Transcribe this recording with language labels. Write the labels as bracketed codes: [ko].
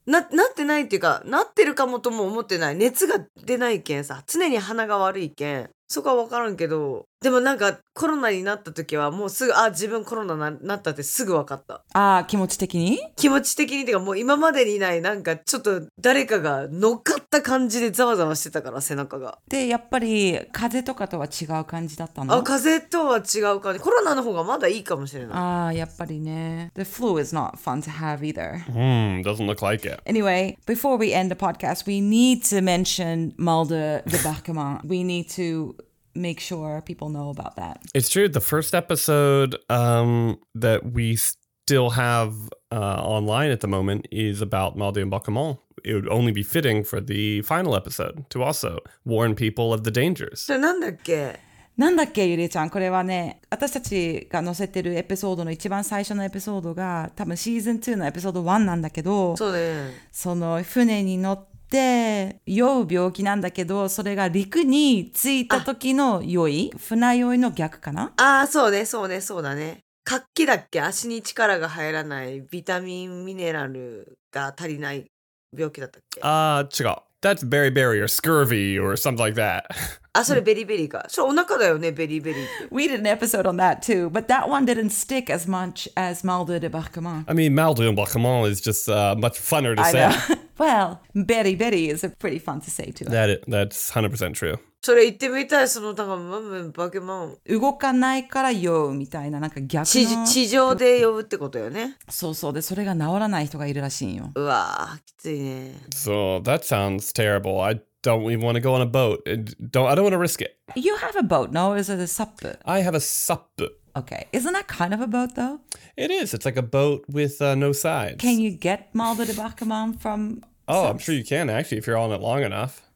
[ja] なってないっていうか、なってるかもとも思ってない。熱が出ないけんさ、常に鼻が悪いけん、そこは分からんけど、でもなんかコロナになった時はもうすぐ、あ、自分コロナになったってすぐ分かった。ああ、気持ち的に？気持ち的にっていうか、もう今までにない、なんかちょっと誰かが乗っかった感じでざわざわしてたから、背中が。で、やっぱり風邪とかとは違う感じだったの？あ、風邪とは違う感じ。コロナの方がまだいいかもしれない。ああ、やっぱりね。 [en] The flu is not fun to have either. Doesn't look like it. Anyway, before we end the podcast, we need to mention Mulder the Bachman. We need to... make sure people know about that. It's true. The first episode that we still have online at the moment is about Maldi and Bachamon. It would only be fitting for the final episode to also warn people of the dangers. [ja] So, なんだっけ? なんだっけ、ゆりちゃん。これはね、私たちが載せてるエピソードの一番最初のエピソードが多分シーズン2のエピソード1なんだけど、そうね。その船に乗ってで、酔う病気なんだけど、それが陸に着いた時の酔い、船酔いの逆かな？ああ、そうね、そうね、そうだね。活気だっけ？足に力が入らない、ビタミン、ミネラルが足りない病気だったっけ？ああ、違う。 [en] That's beriberi or scurvy or something like that. [ja] あ、それベリベリか。そう、お腹だよね、ベリベリ。 [en] We did an episode on that too, but that one didn't stick as much as Mal de Débarquement. I mean, Mal de Débarquement is just much funner to say. Well, Betty Betty is a pretty fun to say too. That's 100% true. [ja] それ言ってみたい、そのなんかマムバケモン。動かないから酔うみたいな、なんか逆の。地上で呼ぶってことよね。そうそう、で、それが治らない人がいるらしいよ。うわぁ、きついね。 [en] So, that sounds terrible. I don't even want to go on a boat. I don't want to risk it. You have a boat, no? Is it a SUP? I have a SUP. Okay. Isn't that kind of a boat, though? It is. It's like a boat with no sides. Can you get Mal de Débarquement from... Oh, I'm sure you can, actually, if you're on it long enough.